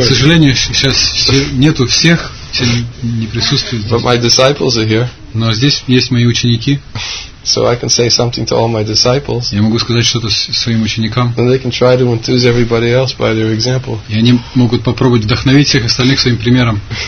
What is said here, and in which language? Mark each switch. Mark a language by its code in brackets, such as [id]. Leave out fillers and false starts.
[ru] К сожалению, сейчас нету всех, все не присутствуют. [en] But my disciples are here. [ru] Но здесь есть мои ученики. [en] So I can say something to all my disciples. [ru] Я могу сказать что-то своим ученикам. [en] And they can try to enthuse everybody else by their example. [ru] И они могут попробовать вдохновить всех остальных своим примером.